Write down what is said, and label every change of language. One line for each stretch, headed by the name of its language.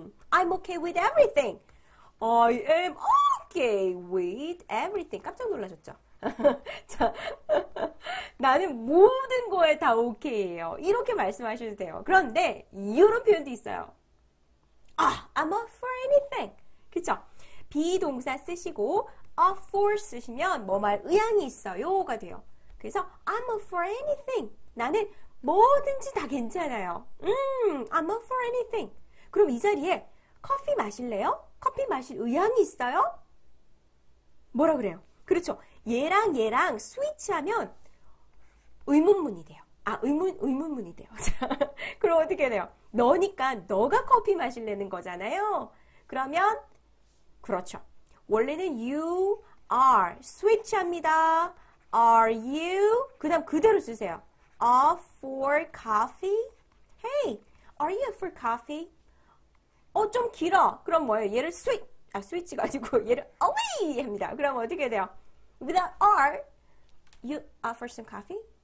English: I'm okay with everything. I am okay with everything.
Korean: 깜짝 놀라셨죠? 자, 나는 모든 거에 다 오케이예요. 이렇게 말씀하셔도 돼요. 그런데 이런 표현도 있어요.
English: 아, I'm up for anything.
Korean: 그쵸? 비 동사 쓰시고 up for 쓰시면 뭐말 의향이 있어요가 돼요. 그래서
English: I'm up for anything.
Korean: 나는 뭐든지 다 괜찮아요.
English: I'm up for anything.
Korean: 그럼 이 자리에 커피 마실래요? 커피 마실 의향이 있어요? 뭐라 그래요? 그렇죠? 얘랑 얘랑 스위치하면 의문문이 돼요. 아, 의문문이 돼요. 그럼 어떻게 돼요? 너니까 너가 커피 마실래는 거잖아요. 그러면 그렇죠. 원래는
English: you are
Korean: 스위치합니다.
English: Are you?
Korean: 그다음 그대로 쓰세요.
English: Up for coffee? Hey, are you up for coffee?
Korean: 좀 길어. 그럼 뭐예요? 얘를 스위치가 아니고 얘를 away 합니다. 그럼 어떻게 돼요?
English: Without are, you up for some coffee?